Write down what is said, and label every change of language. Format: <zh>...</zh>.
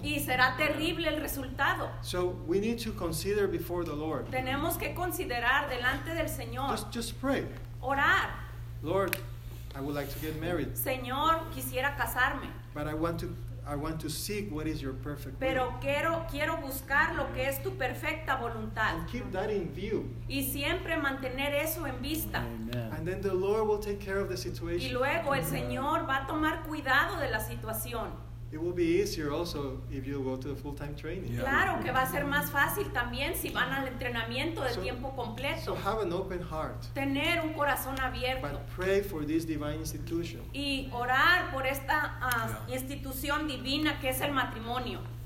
<es>Y será terrible el resultado.</es> <en>So we need to consider before the Lord.</en> <es>Tenemos que considerar delante del Señor.</es> <en>Just pray.</en> <es>Orar.</es> <en>Lord, I would like to get married.</en> <es>Señor, quisiera casarme.</es> <en>But I want to seek what is your perfect will.</en> <es>Pero quiero buscar lo que es tu perfecta voluntad.</es> <en>And keep that in view.</en> <es>Y siempre mantener eso en vista.</es> <en>Amen. And then the Lord will take care of the situation.</en> <es>Y luego el Señor va a tomar cuidado de la situación.</es> <en>It will be easier also if you go to the full-time training. Yeah.</en> <es>Claro que va a ser más fácil también si van al entrenamiento de tiempo completo.</es> <en>So have an open heart.</en> <es>Tener un corazón abierto.</es> <en>But pray for this divine institution.</en> <es>Y orar por esta institución divina que es el matrimonio.</es>